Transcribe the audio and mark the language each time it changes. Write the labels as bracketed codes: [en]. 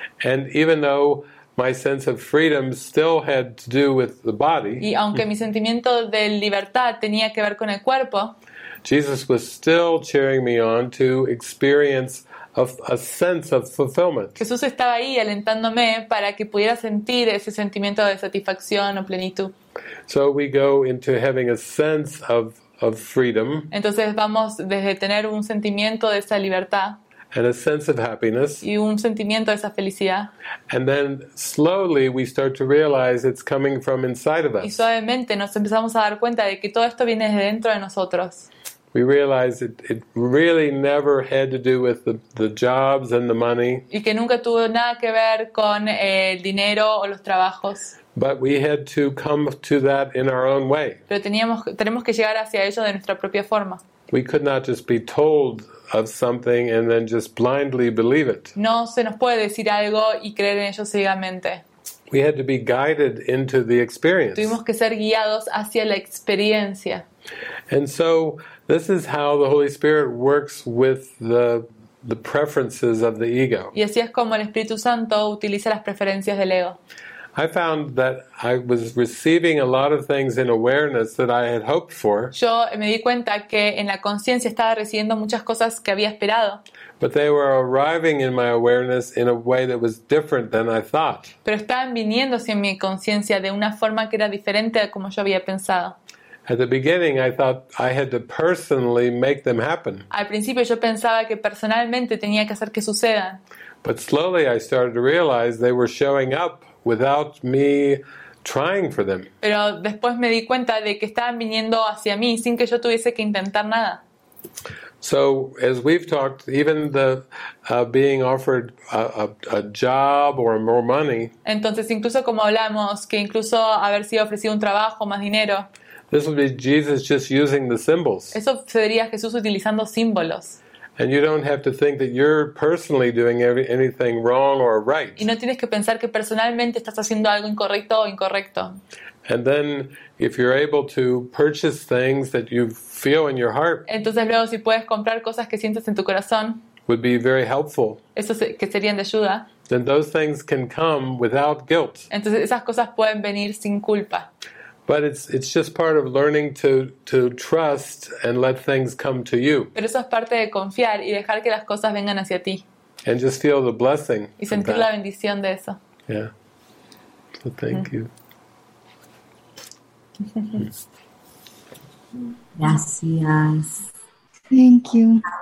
[en] And even though my sense of freedom still had to do with the body. [es] Y aunque mi sentimiento de libertad tenía que ver con el cuerpo. [en] Jesus was still cheering me on to experience a sense of fulfillment. [es] Jesús estaba ahí alentándome para que pudiera sentir ese sentimiento de satisfacción o plenitud. [en] So we go into having a sense of freedom. [es] Entonces vamos desde tener un sentimiento de esa libertad. [en] And a sense of happiness. [es] Y un sentimiento de esa felicidad. [en] And then slowly we start to realize it's coming from inside of us. [es] Y suavemente nos empezamos a dar cuenta de que todo esto viene desde dentro de nosotros. [en] We realize it really never had to do with the jobs and the money. [es] Y que nunca tuvo nada que ver con el dinero o los trabajos. [en] But we had to come to that in our own way. [es] Pero tenemos que llegar hacia ello de nuestra propia forma. [en] We could not just be told of something and then just blindly believe it. [es] No se nos puede decir algo y creer en ello ciegamente. [en] We had to be guided into the experience. [es] Tuvimos que ser guiados hacia la experiencia. [en] And so this is how the Holy Spirit works with the preferences of the ego. [es] Y así es como el Espíritu Santo utiliza las preferencias del ego. [en] I found that I was receiving a lot of things in awareness that I had hoped for. [es] Yo me di cuenta que en la conciencia estaba recibiendo muchas cosas que había esperado. [en] But they were arriving in my awareness in a way that was different than I thought. [es] Pero estaban viniendo hacia mi conciencia de una forma que era diferente a como yo había pensado. [en] At the beginning, I thought I had to personally make them happen. [es] Al principio yo pensaba que personalmente tenía que hacer que sucedan. [en] But slowly I started to realize they were showing up without me trying for them. [es] Pero después me di cuenta de que estaban viniendo hacia mí sin que yo tuviese que intentar nada. [en] So as we've talked, even the being offered a job or more money. [es] Entonces incluso como hablamos que incluso haber sido ofrecido un trabajo, más dinero. [en] This would be Jesus just using the symbols. [es] Eso sería Jesús utilizando símbolos. [en] And you don't have to think that you're personally doing anything wrong or right. [es] Y no tienes que pensar que personalmente estás haciendo algo incorrecto o incorrecto. [en] And then if you're able to purchase things that you feel in your heart. [es] Entonces luego si puedes comprar cosas que sientes en tu corazón. [en] Would be very helpful. [es] Eso que serían de ayuda. [en] Then those things can come without guilt. [es] Entonces esas cosas pueden venir sin culpa. [en] But it's just part of learning to trust and let things come to you. [es] Pero eso es parte de confiar y dejar que las cosas vengan hacia ti. [en] And just feel the blessing. [es] Y sentir la bendición de eso. [en] Yeah. So thank you. [es] Gracias. [en] Thank you.